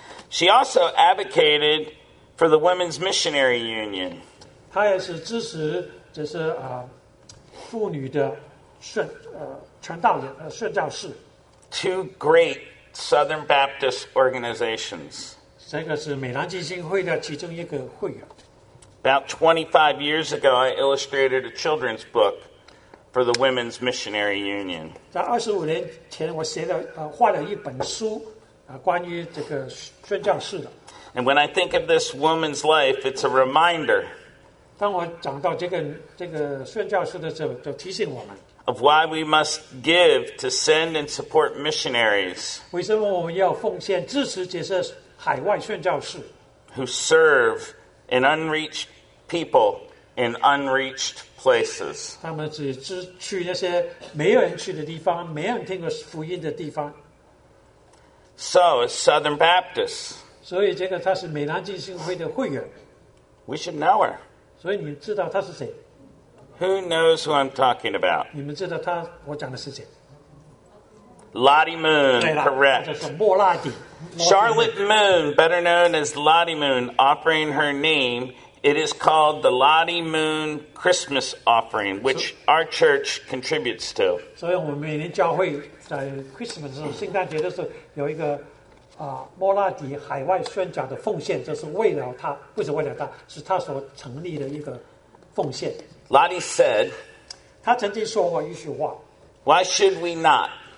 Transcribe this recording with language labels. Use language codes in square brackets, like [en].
[en] She also advocated for the Women's Missionary Union. [zh] 她也是支持，就是妇女的传道人宣教士。 [en] Two great Southern Baptist organizations. [zh] 这个是美南浸信会的其中一个会员。 [en] About 25 years ago, I illustrated a children's book. For the Women's Missionary Union. [zh] 在二十五年前，我写了画了一本书关于这个宣教士的。 [en] And when I think of this woman's life, it's a reminder. [zh] 当我讲到这个宣教士的时候，就提醒我们 [en] of why we must give to send and support missionaries. [zh] 为什么我们要奉献支持这些海外宣教士 [en] who serve an unreached people in unreached places. [zh] 他们只去那些没有人去的地方，没人听过福音的地方。 [en] So, as Southern Baptists, [zh] 所以这个他是美南浸信会的会员。 [en] We should know her. [zh] 所以你知道他是谁。 [en] Who knows who I'm talking about? [zh] 你们知道他我讲的是谁。 [en] Lottie Moon, correct. [zh] 就是莫拉迪。 [en] Charlotte Moon, better known as Lottie Moon, offering her name,It is called the Lottie Moon Christmas Offering, which our church contributes to. [zh] So, 我们每年教会在 Christmas 的时候，圣诞节的时候有一个莫拉迪海外宣教的奉献，这是为了他，不是为了他，是他所成立的一个奉献。 [en] Lottie said, [zh] 他曾经说过一句话 [en] Why should we not?